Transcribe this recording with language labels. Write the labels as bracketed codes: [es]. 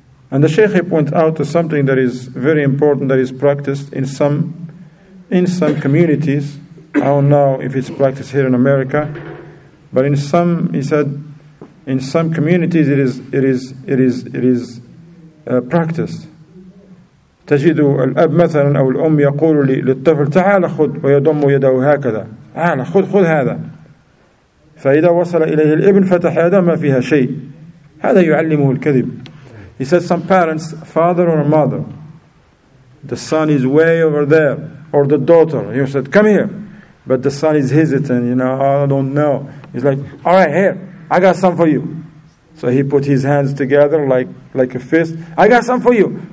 [en] And the Sheikh points out to something that is very important, that is practiced in some communities, I don't know if it's practiced here in America, but in some, he said, in some communities it is practiced. [ar] تجد الأب مثلا أو الأم يقول للطفل تعال خذ ويضم يده هكذا تعال خذ هذا فإذا وصل إليه الابن فتح يده ما فيها شيء هذا يعلمه الكذب. [en] He said some parents, father or mother, the son is way over there, or the daughter, he said, come here. But the son is hesitant, you know, I don't know. He's like, all right, here, I got some for you. So he put his hands together like a fist. I got some for you.